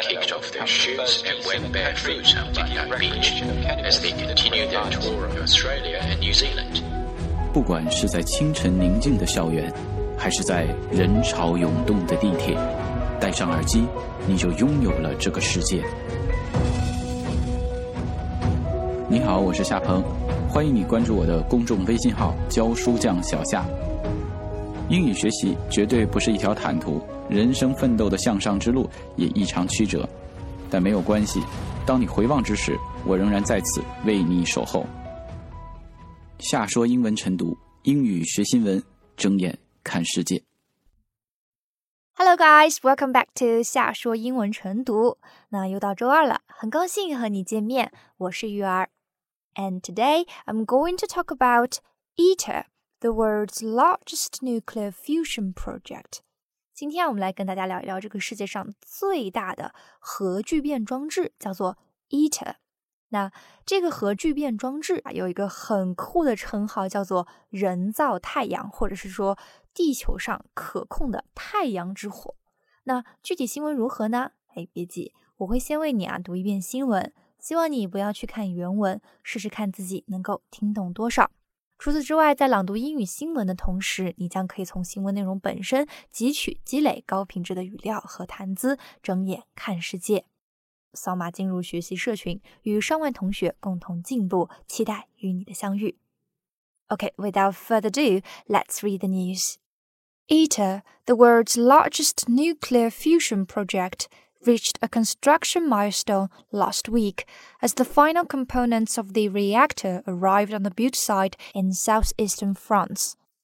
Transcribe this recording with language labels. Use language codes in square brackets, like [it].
[en] kicked off their shoes and went barefoot on Bondi Beach as they continued their tour of Australia and New Zealand. [zh] 不管是在清晨宁静的校园，还是在人潮涌动的地铁，戴上耳机，你就拥有了这个世界。你好，我是夏鹏，欢迎你关注我的公众微信号“教书匠小夏”。英语学习绝对不是一条坦途，人生奋斗的向上之路也异常曲折，但没有关系，当你回望之时，我仍然在此为你守候。夏说英文晨读，英语学新闻，睁眼看世界。 [en] Hello guys, welcome back to 夏说英文晨读。 [zh] 那又到周二了，很高兴和你见面，我是玉儿。 [en] And today, I'm going to talk about ITER, the world's largest nuclear fusion project. [zh] 今天我们来跟大家聊一聊这个世界上最大的核聚变装置，叫做 ITER。那这个核聚变装置啊，有一个很酷的称号，叫做人造太阳，或者是说地球上可控的太阳之火。那具体新闻如何呢？哎，别急，我会先为你啊读一遍新闻，希望你不要去看原文，试试看自己能够听懂多少。除此之外，在朗读英语新闻的同时，你将可以从新闻内容本身汲取积累高品质的语料和谈资，睁眼看世界。扫码进入学习社群，与上万同学共同进步，期待与你的相遇。 [en] Okay, without further ado, let's read the news. ITER, the world's largest nuclear fusion project, reached a construction milestone last week as the final components of the reactor arrived on the build site in southeastern France.